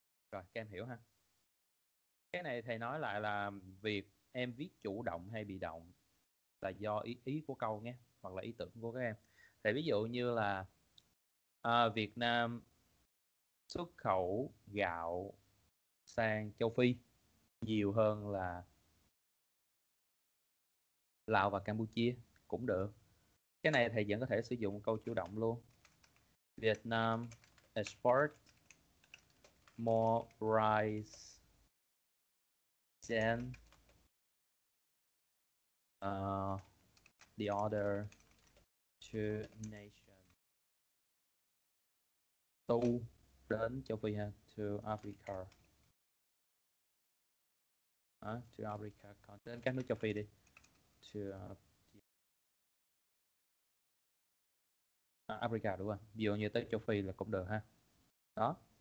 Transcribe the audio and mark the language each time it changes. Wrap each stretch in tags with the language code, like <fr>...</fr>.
<vi>Rồi, các em hiểu ha. Cái này thầy nói lại là việc em viết chủ động hay bị động là do ý của câu nhé, hoặc là ý tưởng của các em. Thầy ví dụ như là Việt Nam xuất khẩu gạo sang châu Phi nhiều hơn là Lào và Campuchia cũng được. Cái này thầy vẫn có thể sử dụng câu chủ động luôn.</vi> <en>Vietnam export more rice than the other two nations.</en> <vi>Tu đến châu Phi ha,</vi> <en>to Africa. To Africa,</en> <vi>đến các nước châu Phi đi. Africa đúng không? Ví dụ như tới châu Phi là cũng được ha. Đó.</vi>